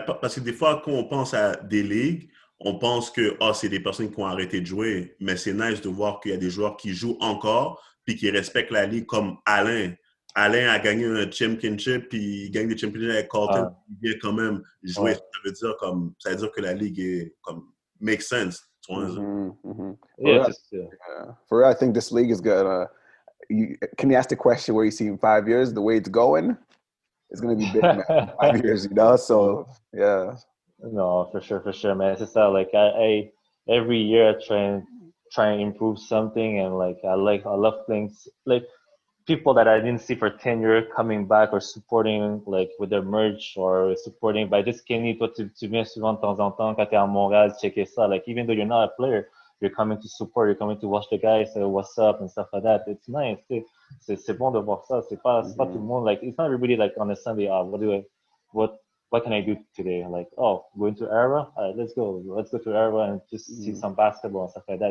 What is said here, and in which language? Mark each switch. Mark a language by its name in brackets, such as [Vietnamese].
[French] Parce que des fois quand on pense à des ligues, on pense que oh, c'est des personnes qui ont arrêté de jouer, mais c'est nice de voir qu'il y a des joueurs qui jouent encore puis qui respectent la ligue, comme Alain. Alain a gagné un championship, puis il gagne des championships avec Carlton, il vient quand même jouer. Ça veut dire que la ligue est comme [English] make sense. For real, I think this league is gonna. Can you ask the question where you see in 5 years? The way it's going, it's gonna be big, man. 5 years, you know. So yeah. No, for sure, man. It's just like I every year I try and improve something, and like I love things like people that I didn't see for 10 years coming back or supporting like with their merch or supporting by just Kenny. [French] Toi, tu viens souvent de temps en temps quand t'es à Montréal, checker ça. [English] Like even though you're not a player, you're coming to support. You're coming to watch the guys say what's up and stuff like that. It's nice. [French] C'est bon de voir ça. C'est pas tout le monde. [English] Like it's not everybody like on a Sunday. What can I do today? Like, oh, going to Era? Let's go to Era and just see some basketball and stuff like that.